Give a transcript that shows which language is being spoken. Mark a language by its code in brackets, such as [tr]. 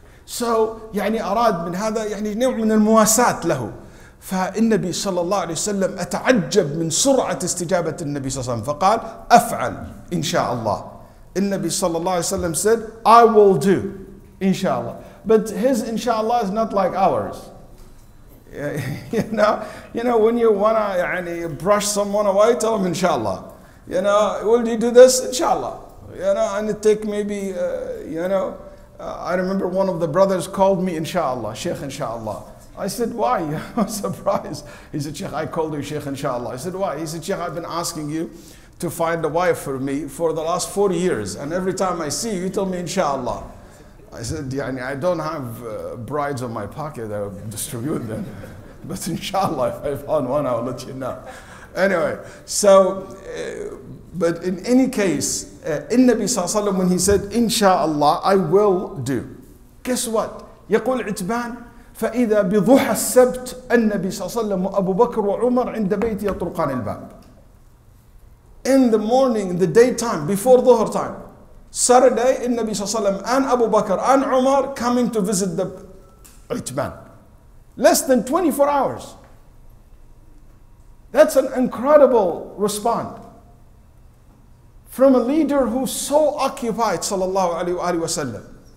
[en] So, [ar] يعني أراد من هذا يعني نوع من المواساة له. فالنبي صلى الله عليه وسلم أتعجب من سرعة استجابة النبي صلى الله عليه وسلم فقال أفعل إن شاء الله. النبي صلى الله عليه وسلم [en] said, I will do [ar] إن شاء الله. [en] But his [ar] إن شاء الله [en] is not like ours. You know when you wanna يعني brush someone away, tell them إن شاء الله. You know, will you do this? [ar] إن شاء الله. [en] You know, and it take maybe I remember one of the brothers called me [ar] إن شاء الله, [en] Shaykh إن شاء الله. I said, why? I was surprised. He said, Shaykh, I called you Shaykh inshallah. I said, why? He said, Shaykh, I've been asking you to find a wife for me for the last 4 years. And every time I see you, you tell me inshallah. I said, yani, I don't have brides on my pocket. I distribute them. But inshallah, if I find one, I'll let you know. Anyway, so, but in any case, in Nabi Sallallahu Alaihi Wasallam, when he said, inshallah, I will do. Guess what? [ar] يقول عتبان فإذا بضحى السبت النبي صلى الله عليه وسلم أبو بكر وعمر عند بيتي يطرقان الباب. [en] In the morning, the daytime, before dhuhr time, Saturday, [ar] النبي صلى الله عليه وسلم [en] and Abu Bakr and Umar coming to visit the عتبان. Less than 24 hours. That's an incredible response from a leader who's so occupied, [ar] صلى الله عليه وسلم.